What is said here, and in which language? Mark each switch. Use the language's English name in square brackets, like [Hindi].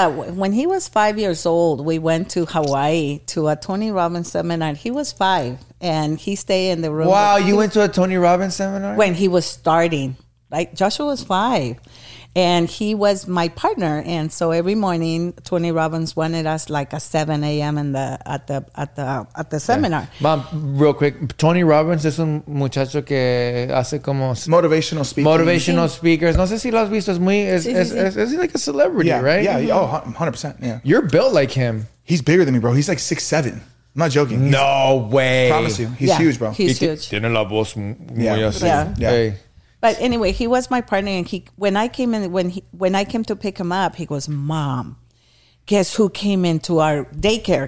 [English] Was, when he was 5 years old, we went to Hawaii to a Tony Robbins seminar. He was five and he stayed in the room. Wow, you went to a Tony Robbins seminar? When he was starting. Right? Joshua was five and he was my partner. And so every morning, Tony Robbins wanted us like at 7 a.m. at the seminar. Yeah. Mom, real quick, [Spanish] Tony Robbins es un muchacho que hace como... [English] Motivational speakers. Motivational speakers. [Spanish] No sé si lo has visto. Es [English] like a celebrity, right? Yeah, mm-hmm. 100%. Yeah. You're built like him. He's bigger than me, bro. He's like 6'7". I'm not joking. No way. Promise you. He's huge, bro. He's huge. [Spanish] Tiene la voz muy así. [English] Yeah. But anyway, he was my partner, and when I came to pick him up, he goes, "Mom, guess who came into our daycare?"